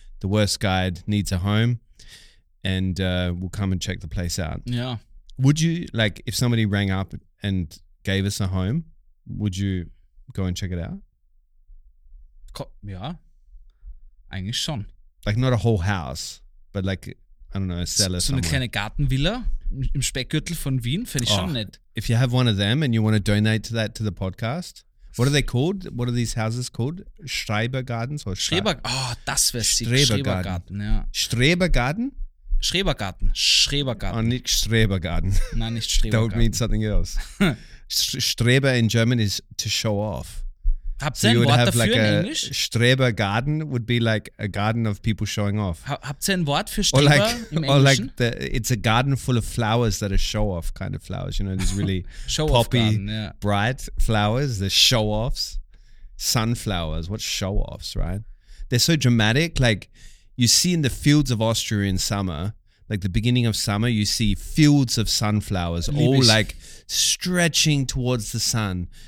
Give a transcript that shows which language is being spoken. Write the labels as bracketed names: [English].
[English] The worst guide needs a home, and we'll come and check the place out. Yeah. Would you, like, if somebody rang up and gave us a home, would you go and check it out? [German] Yeah. Eigentlich schon. [English] Like, not a whole house, but like, I don't know, a cellar. [German] So eine kleine Gartenvilla im Speckgürtel von Wien, fände ich schon nett. [English] If you have one of them and you want to donate to that to the podcast, what are they called? What are these houses called? Schreibergartens or [German] Schreibergarten? Oh, das wäre sick. Schrebergarten, ja. Strebergarten? Schrebergarten. Schrebergarten. Oh, nicht Strebergarten. Nein, nicht Strebergarten. [English] That would mean something else. Streber in German is to show off. [German] Habt ihr ein Wort dafür in Englisch? [English] Strebergarten would be like a garden of people showing off. [German] Habt ihr ein Wort für Streber like, im Englischen? [English] Or like the, it's a garden full of flowers that are show off kind of flowers. You know, these really poppy, garden, yeah. Bright flowers, the show offs. Sunflowers, what show offs, right? They're so dramatic. Like you see in the fields of Austria in summer, like the beginning of summer, you see fields of sunflowers all like stretching towards the sun.